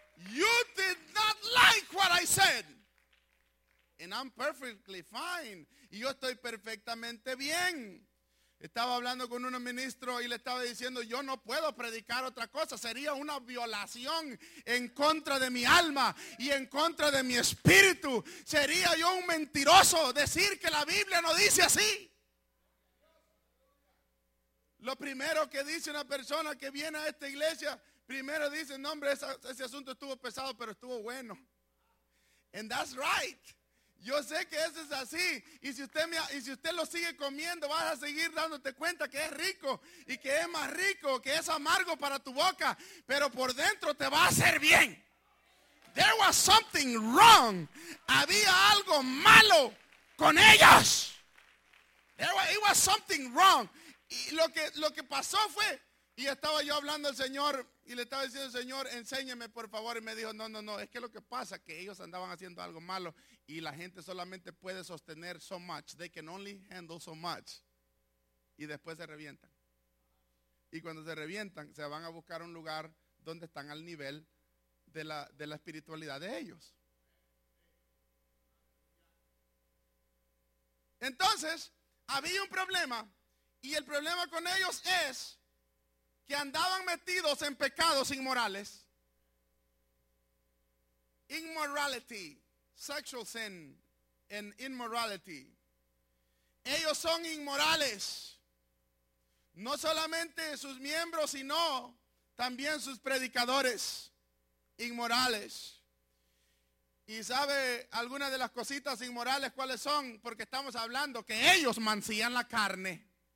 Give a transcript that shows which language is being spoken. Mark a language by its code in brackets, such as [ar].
[en] You did not like what I said. And I'm perfectly fine. [es] Y yo estoy perfectamente bien. Estaba hablando con un ministro y le estaba diciendo, yo no puedo predicar otra cosa. Sería una violación en contra de mi alma y en contra de mi espíritu. Sería yo un mentiroso decir que la Biblia no dice así. Lo primero que dice una persona que viene a esta iglesia, primero dice, no hombre, ese asunto estuvo pesado, pero estuvo bueno. [en] And that's right. [es] Yo sé que eso es así. Y si usted lo sigue comiendo, vas a seguir dándote cuenta que es rico y que es más rico, que es amargo para tu boca, pero por dentro te va a hacer bien. [en] There was something wrong. [es] Había algo malo con ellos. [en] It was something wrong. [es] Y lo que pasó fue, y estaba yo hablando al Señor y le estaba diciendo, Señor, enséñame por favor. Y me dijo, no, es que lo que pasa es que ellos andaban haciendo algo malo y la gente solamente puede sostener [en] so much. They can only handle so much. [es] Y después se revientan. Y cuando se revientan, se van a buscar un lugar donde están al nivel de la espiritualidad de ellos. Entonces, había un problema. Y el problema con ellos es que andaban metidos en pecados inmorales. [en] Immorality, sexual sin and immorality. [es] Ellos son inmorales. No solamente sus miembros, sino también sus predicadores inmorales. ¿Y sabe algunas de las cositas inmorales cuáles son? Porque estamos hablando que ellos mancían la carne.